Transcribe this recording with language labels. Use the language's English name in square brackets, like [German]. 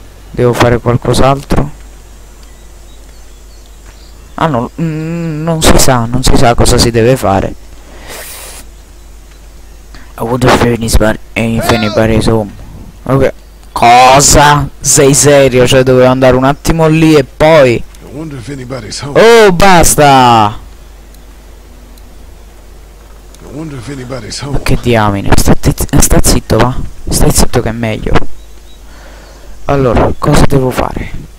[Italian] Devo fare qualcos'altro? Ah no, non si sa cosa si deve fare. [English] I wonder if anybody's home. [Italian] Ok. Cosa? Sei serio? Cioè dovevo andare un attimo lì e poi... Oh, basta! Ma che diamine, sta zitto, va. Stai zitto che è meglio. Allora, cosa devo fare?